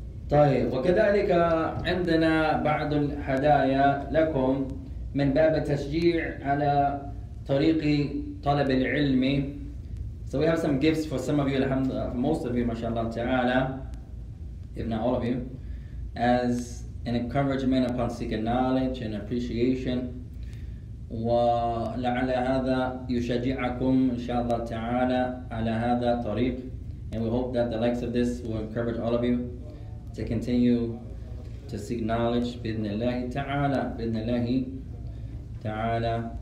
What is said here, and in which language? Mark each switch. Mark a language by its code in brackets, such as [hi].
[ar] طيب وكذلك عندنا بعض الهدايا لكم من باب التشجيع على طريق طلب العلم. [en] So we have some gifts for some of you, alhamdulillah, for most of you, mashallah ta'ala, if not all of you, as an encouragement upon seeking knowledge and appreciation. [ar] ولعل هذا يشجعكم إن شاء الله تعالى على هذا الطريق. [en] And we hope that the likes of this will encourage all of you to continue to seek knowledge [ar] بإذن الله تعالى بإذن الله تعالى.